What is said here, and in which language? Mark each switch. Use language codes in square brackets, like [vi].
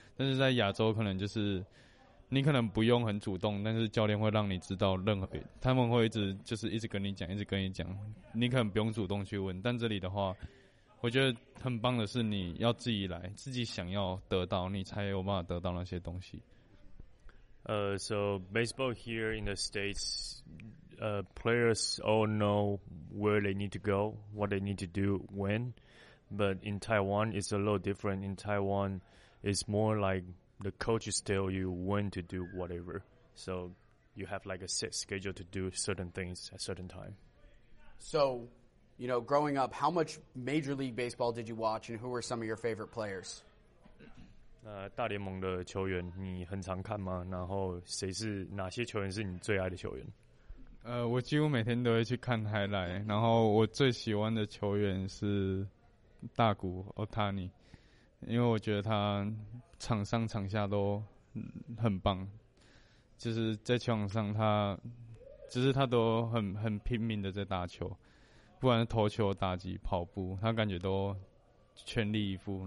[zh] 但是在亚洲，可能就是。你可能不用很主动，但是教练会让你知道任何，他们会一直跟你讲，一直跟你讲。你可能不用主动去问，但这里的话，我觉得很棒的是你要自己来，自己想要得到，你才有办法得到那些东西。 [en] So baseball here in the States, players all know where they need to go, what they need to do, when. But in Taiwan, it's a little different. In Taiwan, it's more like. The coaches tell you when to do whatever. So you have like a set schedule to do certain things at a certain time. So, you know, growing up, how much Major League Baseball did you watch and who were some of your favorite players? [zh] 大联盟的球员你很常看吗？然后哪些球员是你最爱的球员？我几乎每天都会去看 highlight, 然后我最喜欢的球员是大谷 Otani。因为我觉得他场上场下都很棒，就是在球场上他，就是他都很拼命的在打球，不管是投球、打击、跑步，他感觉都全力以赴。